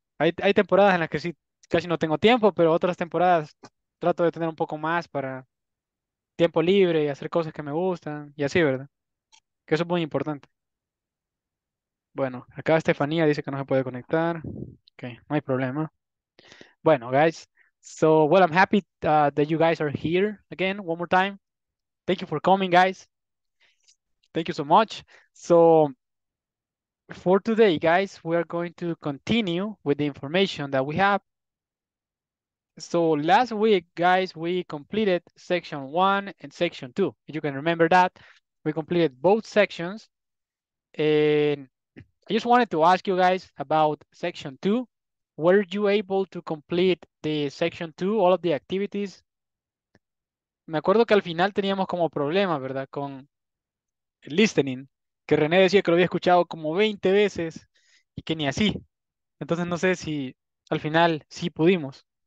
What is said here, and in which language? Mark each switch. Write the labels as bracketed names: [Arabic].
[Spanish] Hay temporadas en las que sí casi no tengo tiempo, pero otras temporadas trato de tener un poco más para tiempo libre y hacer cosas que me gustan y así, ¿verdad? Que eso es muy importante. Bueno, acá Estefanía dice que no se puede conectar. Ok, no hay problema. Bueno, guys. [English] So, well, I'm happy that you guys are here again, one more time. Thank you for coming, guys. Thank you so much. So, for today, guys, we are going to continue with the information that we have. So, last week, guys, we completed section one and section two. You can remember that. We completed both sections. And I just wanted to ask you guys about section two. Were you able to complete the section two, all of the activities? [Spanish] Me acuerdo que al final teníamos como problema, ¿verdad? Con el listening, que René decía que lo había escuchado como 20 veces y que ni así. Entonces no sé si al final sí pudimos.